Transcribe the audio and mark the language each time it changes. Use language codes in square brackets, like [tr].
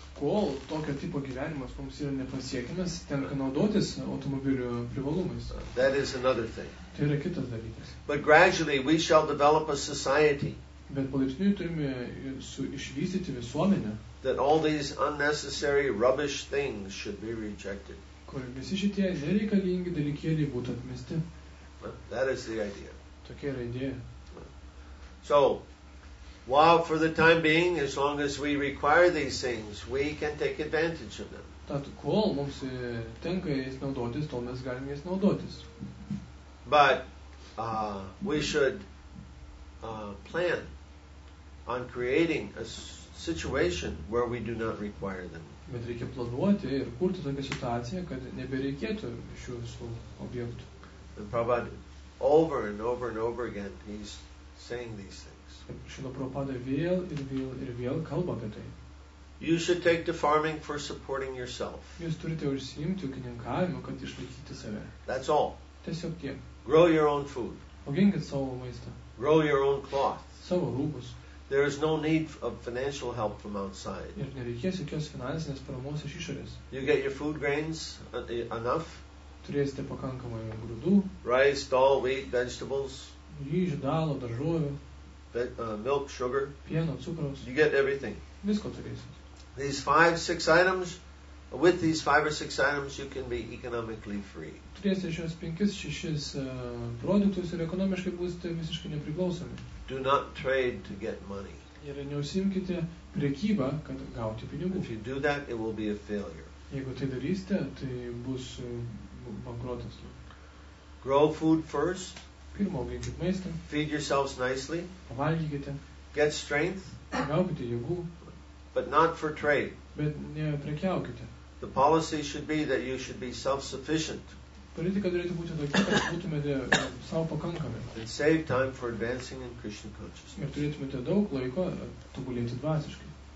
[lt] Kol tokio tipo gyvenimas mums yra nepasiekiamas, tenka naudotis automobilio privalumais. [en] That is another thing. [lt] Tai yra kitas dalykas. [en] But gradually we shall develop a society. [lt] Bet palaipsniui turime išvystyti visuomenę. [en] That all these unnecessary rubbish things should be rejected. [lt] Kur visi šitie nereikalingi dalykėliai būtų atmesti. [en] That is the idea. [lt] Tokia yra idėja. [en] So, while for the time being, as long as we require these things, we can take advantage of them. [lt] Tad kol mums tenka jais naudotis, tol mes galime jais naudotis. [en] But we should plan on creating a situation where we do not require them. [lt] Bet reikia planuoti ir kurti tokią situaciją, kad nebereikėtų šių visų objektų. [en] And Prabhupada, over and over and over again, he's saying these things. [lt] Šilo Prabhupada vėl ir vėl ir vėl kalba apie tai. [en] You should take the farming for supporting yourself. [lt] Jūs turite užsiimti ūkininkavimu, kad išlaikyti save. [en] That's all. [lt] Tiesiog tiek. [en] Grow your own food. [lt] Auginkit savo maistą. [en] Grow your own cloth. [lt] Savo rūbus. [en] There is no need of financial help from outside. [lt] Ir nereikės jokios finansinės paramos iš išorės. [en] You get your food grains enough. [lt] Turėsite pakankamai grūdų. [en] Rice, dal, wheat, vegetables. [lt] Ryžių, dalo, daržovių. [en] Milk, sugar. [lt] Pieno, cukraus. [en] You get everything. [lt] Visko turėsit. [en] These five, six items, with these five or six items, you can be economically free. [lt] Turėsit šios penkis, šešis produktus ir ekonomiškai būsite visiškai nepriklausomi. [en] Do not trade to get money. [lt] Ir neusimkite prekybą, kad gauti pinigų. [en] If you do that, it will be a failure. [lt] Jeigu tai darysite, tai bus bankrotas. [en] Grow food first. [lt] Pirma auginkit maistą. [en] Feed yourselves nicely. [lt] Pavalgykite. [en] Get strength. [lt] Gaukite jėgų. [en] But not for trade. [lt] Bet neprekiaukite. [en] The policy should be that you should be self-sufficient. [lt] Politika turėtų būti tokia, kad būtumėte sau pakankami. [en] And save time for advancing in Krishna consciousness. [lt] Ir turėtumėte daug laiko tobulėti dvasiškai.